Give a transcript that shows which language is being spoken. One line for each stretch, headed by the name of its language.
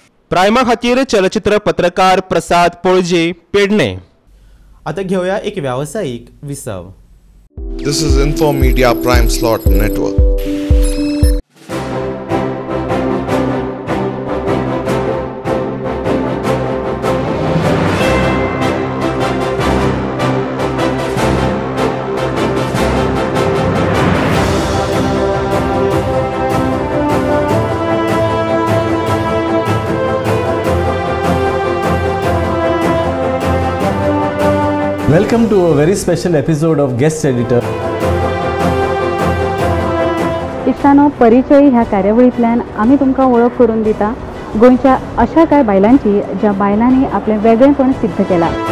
Goan Konkani: प्रायमा खातीर चलचित्र पत्रकार प्रसाद पोळजे पेडणे. आता घेऊया एक व्यावसायिक विसव.
English: This is info media prime slot network. Welcome to a very special episode of Guest Editor.
Goan Konkani: इस्तानो परिचय ह्या कार्यवळीतल्यान आम्ही तुमकां ओळख करून दिता गोंयच्या अशा काय बायलांची ज्या बायलांनी आपले वेगळेपण सिद्ध केला.